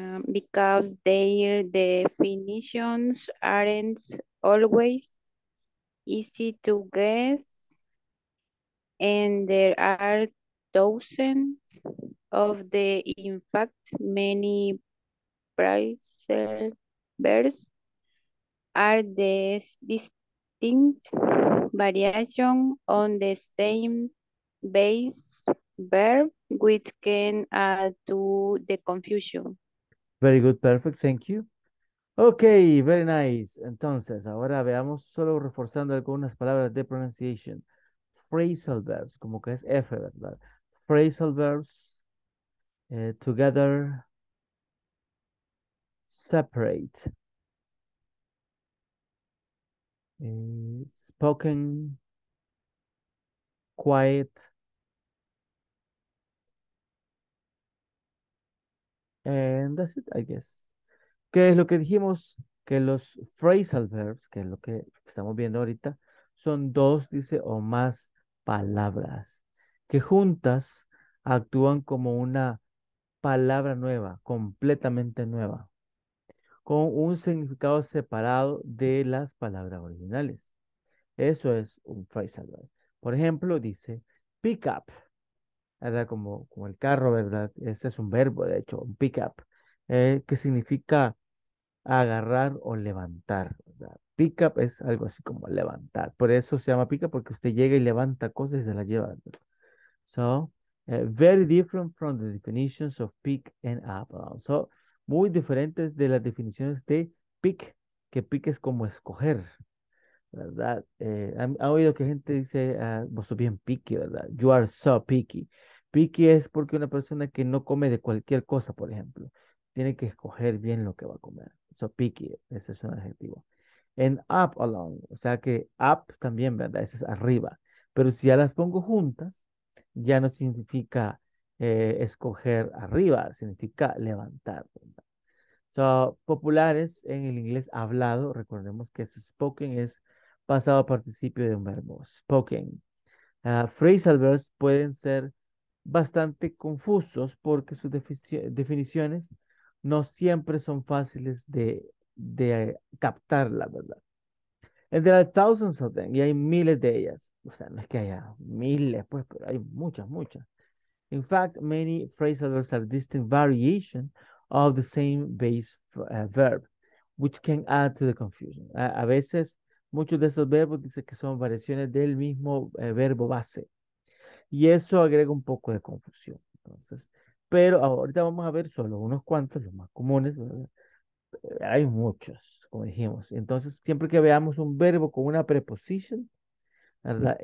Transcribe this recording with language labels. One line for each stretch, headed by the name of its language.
English: because their definitions aren't always easy to guess, and there are thousands of the, in fact, many phrasal verbs are the distinct variation on the same base verb, which can add to the confusion. Very good, perfect, thank you. Okay, very nice.
Spanish: Entonces, ahora veamos solo reforzando algunas palabras de pronunciation. Phrasal verbs, como que es F, ¿verdad?
English: Phrasal verbs, together, separate, spoken, quiet, and that's it, I guess.
Spanish: ¿Qué es lo que dijimos? Que los phrasal verbs, que es lo que estamos viendo ahorita, son dos, dice, o más palabras que juntas actúan como una palabra nueva, completamente nueva, con un significado separado de las palabras originales. Eso es un phrasal verb. Por ejemplo, dice pick up, ¿verdad? Como el carro, ¿verdad? Ese es un verbo, de hecho, un pick up, que significa agarrar o levantar, ¿verdad? Pick up es algo así como levantar. Por eso se llama pick up, porque usted llega y levanta cosas y se las lleva, ¿verdad?
English: So, very different from the definitions of pick and up.
Spanish: So, muy diferentes de las definiciones de pick, que pick es como escoger, ¿verdad? Ha oído que gente dice, vos sos bien picky, ¿verdad?
English: You are so picky.
Spanish: Picky es porque una persona que no come de cualquier cosa, por ejemplo, tiene que escoger bien lo que va a comer. So picky, ese es un adjetivo.
English: And up alone,
Spanish: o sea que up también, ¿verdad? Ese es arriba. Pero si ya las pongo juntas, ya no significa escoger arriba, significa levantar, ¿verdad? So, populares en el inglés hablado, recordemos que ese spoken es pasado participio de un verbo, spoken. Phrasal verbs pueden ser bastante confusos porque sus definiciones no siempre son fáciles de captar, la verdad.
English: And there are thousands of them,
Spanish: y hay miles de ellas. O sea, no es que haya miles, pues, pero hay muchas, muchas.
English: In fact, many phrasal verbs are distinct variations of the same base verb, which can add to the confusion.
Spanish: A veces, muchos de esos verbos dicen que son variaciones del mismo verbo base. Y eso agrega un poco de confusión. Entonces, pero ahorita vamos a ver solo unos cuantos, los más comunes, ¿verdad? Hay muchos, como dijimos. Entonces, siempre que veamos un verbo con una preposición, ¿verdad?